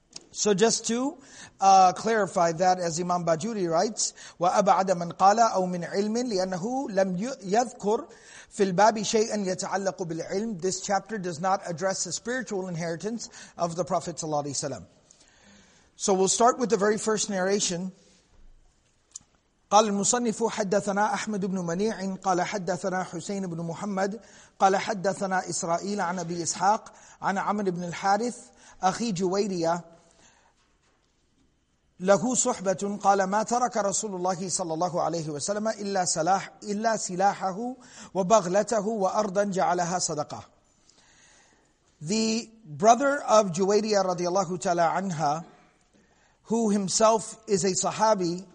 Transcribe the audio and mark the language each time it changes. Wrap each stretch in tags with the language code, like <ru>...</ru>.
<en>So just to clarify that, as Imam Bajuri writes,</en> <ar>وَأَبْعَدَ مَنْ قَالَ أَوْ مِنْ عِلْمٍ لِأَنَّهُ لَمْ يَذْكُرْ فِي الْبَابِ شَيْئًا يَتَعَلَّقُ بِالْعِلْمِ.</ar> <en>This chapter does not address the spiritual inheritance of the Prophet ﷺ. So we'll start with the very first narration.</en> <ar>قَالَ الْمُصَنِّفُ حَدَّثَنَا أَحْمَدُ بْنُ مَنِيعٍ قَالَ حَدَّثَنَا حُسَيْنُ بْنُ مُحَمَّدٍ قَالَ حَدَّثَنَا إِسْرَائِيلَ عَنْ أَبِي إِسْحَاقَ عَنْ عَمْرِ بْنِ الْحَارِثِ أَخِي جُوَيْرِيَة له صحبة قال ما ترك رسول الله صلى الله عليه وسلم إلا سلاحه وبغلته وأرضا جعلها صدقة.</ar> <en>The brother of Juwayriyah رضي الله تعالى عنها, who himself is a Sahabi,</en>